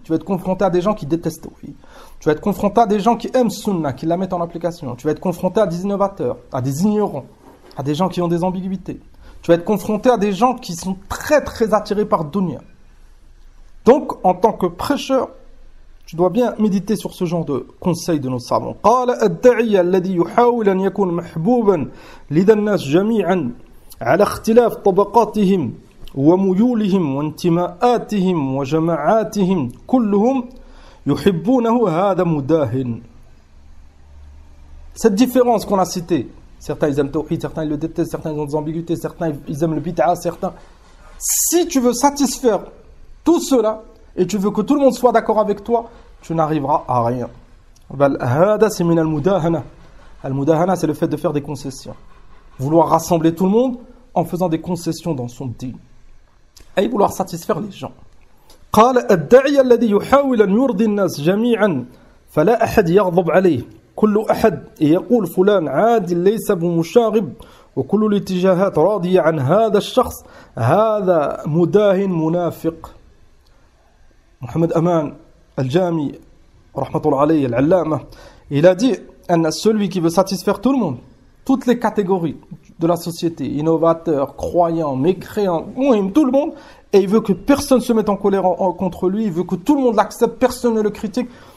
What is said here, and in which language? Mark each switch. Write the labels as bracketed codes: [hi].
[fr] Tu vas être confronté à des gens qui détestent Tawhid. Tu vas être confronté à des gens qui aiment Sunna, qui la mettent en application. Tu vas être confronté à des innovateurs, à des ignorants, à des gens qui ont des ambiguïtés. Tu vas être confronté à des gens qui sont très, très attirés par Dunya. Donc, en tant que prêcheur, tu dois bien méditer sur ce genre de conseil de nos savants. [ar] قال الداعي الذي يحاول أن يكون محبوبا لدى الناس جميعا على اختلاف طبقاتهم وميولهم وانتماءاتهم وجماعاتهم كلهم يحبونه هذا مداهن. [fr] Cette différence qu'on a citée, certains ils aiment Tawhid, certains ils le détestent, certains ils ont des ambiguïtés, certains ils aiment le bid'a, certains. Si tu veux satisfaire tout cela et tu veux que tout le monde soit d'accord avec toi, tu n'arriveras à rien. [ar] Bal hada [fr] c'est min al-mudahana. Al-mudahana c'est le fait de faire des concessions. Vouloir rassembler tout le monde en faisant des concessions dans son din. أي vouloir satisfaire les gens. [ar] قال الداعي الذي يحاول أن يرضي الناس جميعا فلا أحد يغضب عليه كل أحد يقول فلان عادل ليس بمشاغب وكل الاتجاهات راضية عن هذا الشخص هذا مداهن منافق. [fr] محمد أمان الجامي رحمة الله عليه العلامة il a dit أن celui qui veut satisfaire tout le monde, toutes les catégories de la société, innovateurs, croyants, mécréants, tout le monde, et il veut que personne se mette en colère contre lui, il veut que tout le monde l'accepte, personne ne le critique.